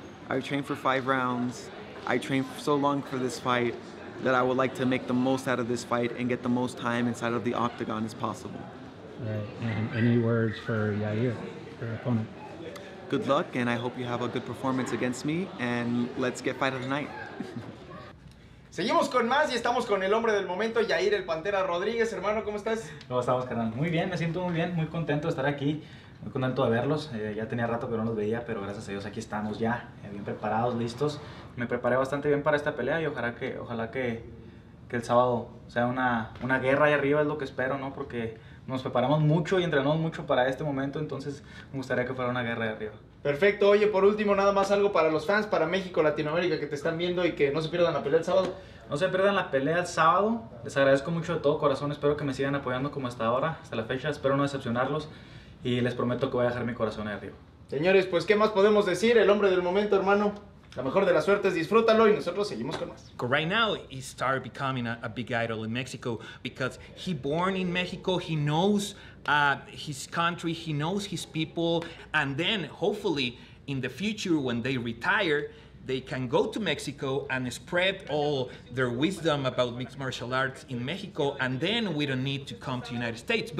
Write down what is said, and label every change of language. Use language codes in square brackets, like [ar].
[en] I trained for five rounds. I trained so long for this fight that I would like to make the most out of this fight and get the most time inside of the octagon as possible. Right. And any words for Yair, your opponent? Good luck, and I hope you have a good performance against me, and let's get fight of the night. [es] Seguimos con más y estamos con el hombre del momento, Yair el Pantera Rodríguez. Hermano, ¿cómo estás? ¿Cómo estamos, carnal? Muy bien, me siento muy bien, muy contento de estar aquí. Muy contento de verlos. Ya tenía rato que no los veía, pero gracias a Dios aquí estamos ya, bien preparados, listos. Me preparé bastante bien para esta pelea y ojalá que el sábado sea una guerra ahí arriba, es lo que espero, ¿no? Porque nos preparamos mucho y entrenamos mucho para este momento, entonces me gustaría que fuera una guerra ahí arriba. Perfecto. Oye, por último, nada más algo para los fans, para México, Latinoamérica, que te están viendo y que no se pierdan la pelea el sábado. No se pierdan la pelea el sábado. Les agradezco mucho de todo corazón. Espero que me sigan apoyando como hasta ahora, hasta la fecha. Espero no decepcionarlos. Y les prometo que voy a dejar mi corazón ahí arriba. Señores, pues, ¿qué más podemos decir? El hombre del momento, hermano. La mejor de las suertes, disfrútalo y nosotros seguimos con más. [en] Right now, he started becoming a big idol in Mexico because he born in Mexico, he knows his country, he knows his people, and then hopefully in the future when they retire, they can go to Mexico and spread all their wisdom about mixed martial arts in Mexico, and then we don't need to come to the United States.